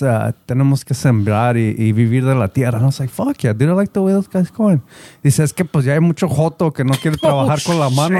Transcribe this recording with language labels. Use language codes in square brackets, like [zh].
[es] tenemos que sembrar y vivir de la tierra. [en] And I was like, fuck yeah, dude, I like the way those guys going. [es] Dice, es que pues ya hay mucho joto que no quiere trabajar con la mano.